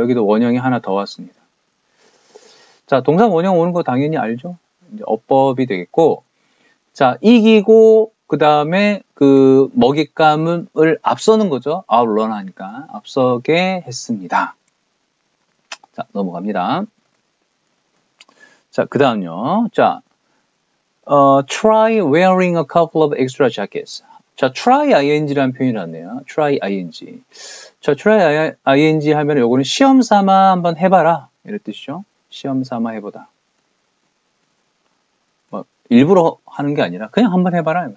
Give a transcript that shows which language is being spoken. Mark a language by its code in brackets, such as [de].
[ko] 여기도 원형이 하나 더 왔습니다. 자, 동사 원형 오는 거 당연히 알죠? 이제 어법이 되겠고. 자, 이기고, 그 다음에 그 먹잇감을 앞서는 거죠? outrun 하니까. 앞서게 했습니다. 자, 넘어갑니다. 자, 자, 그 다음요. [en] 자, try wearing a couple of extra jackets. [ko] 자, try ing라는 표현이 왔네요. try ing. 자, try ing 하면 요거는 시험 삼아 한번 해봐라. 이런 뜻이죠. 시험 삼아 해보다. 뭐, 일부러 하는 게 아니라 그냥 한번 해봐라.